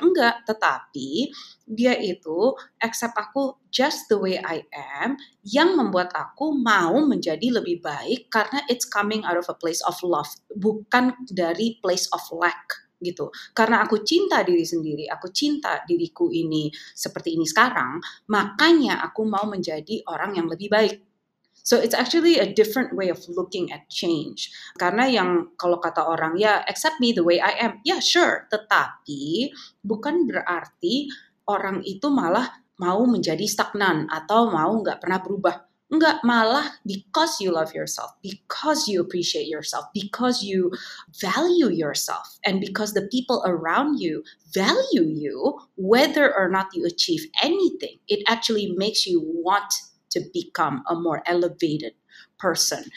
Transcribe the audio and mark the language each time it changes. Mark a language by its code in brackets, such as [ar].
[id] Enggak, tetapi dia itu accept aku [en] just the way I am, [id] yang membuat aku mau menjadi lebih baik karena [en] it's coming out of a place of love, [id] bukan dari [en] place of lack [id] gitu. Karena aku cinta diri sendiri, aku cinta diriku ini seperti ini sekarang, makanya aku mau menjadi orang yang lebih baik. [en] So it's actually a different way of looking at change. [id] Karena yang kalau kata orang, ya [en] accept me the way I am, [id] ya sure, tetapi bukan berarti orang itu malah mau menjadi stagnan atau mau nggak pernah berubah. Enggak, malah [en] because you love yourself, because you appreciate yourself, because you value yourself, and because the people around you value you, whether or not you achieve anything, it actually makes you want to become a more elevated person.